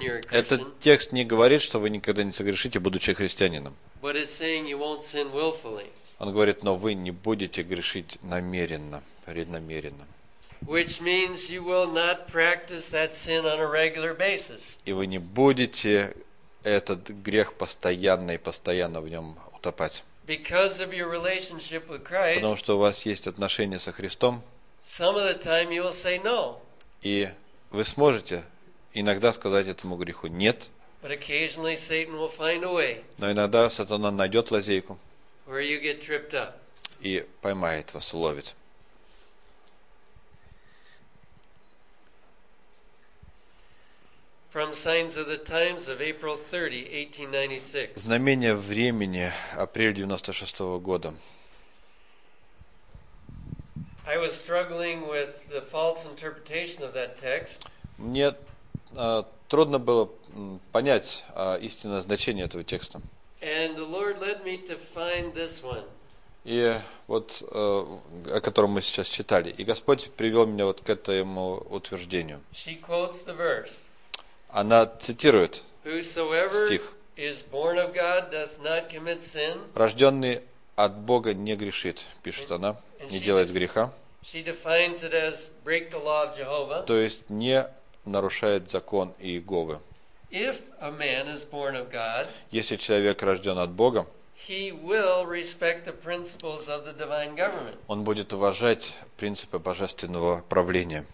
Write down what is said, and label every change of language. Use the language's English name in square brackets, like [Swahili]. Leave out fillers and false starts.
[Russian] Этот текст не говорит, что вы никогда не согрешите, будучи христианином. Он говорит, но вы не будете грешить намеренно, преднамеренно. [English] Which means you will not practice that sin on a regular basis. [Russian] И вы не будете этот грех постоянно и постоянно в нем утопать. [English] Because of your relationship with Christ. [Russian] Потому что у вас есть отношения со Христом. [English] Some of the time you will say no. [Russian] И вы сможете иногда сказать этому греху нет. [English] But occasionally Satan will find a way. [Russian] Но иногда сатана найдет лазейку. [English] Where you get tripped up. [Russian] И поймает вас, уловит. [English] From Signs of the Times of April 30, 1896. [Russian] Знамение времени, апрель 96 года. [English] I was struggling with the false interpretation of that text. [Russian] Мне трудно было понять истинное значение этого текста. [English] And the Lord led me to find this one. [Russian] И вот о котором мы сейчас читали, и Господь привел меня вот к этому утверждению. [English] She quotes the verse. [Russian] Она цитирует [English] Whosoever [Russian] стих. [English] Is born of God doth not commit sin. [Russian] Рожденный от Бога не грешит, пишет она, не делает греха. [English] She defines it as break the law of Jehovah. [Russian] То есть не нарушает закон Иеговы. [English] If a man is born of God, [Russian] если человек рожден от Бога, [English] he will respect the principles of the divine government. [Russian] Он будет уважать принципы божественного правления.